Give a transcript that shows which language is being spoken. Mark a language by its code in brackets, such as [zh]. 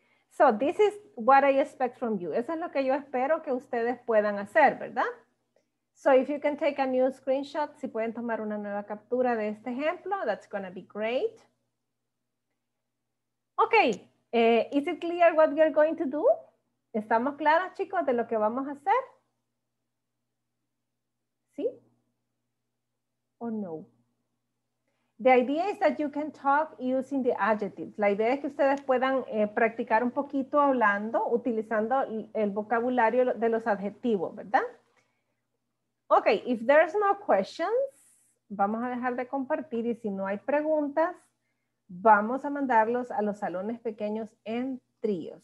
[en] So this is what I expect from you. [es] Eso es lo que yo espero que ustedes puedan hacer, ¿verdad? [en] So if you can take a new screenshot, [es] si pueden tomar una nueva captura de este ejemplo, [en] that's going to be great. Okay, is it clear what we are going to do? [es] ¿Estamos claros, chicos, de lo que vamos a hacer? ¿Sí? ¿O no? [en] The idea is that you can talk using the adjectives. [es] La idea es que ustedes puedan practicar un poquito hablando, utilizando el vocabulario de los adjetivos, ¿verdad? [en] Okay, if there's no questions, [es] vamos a dejar de compartir y si no hay preguntas, vamos a mandarlos a los salones pequeños en tríos.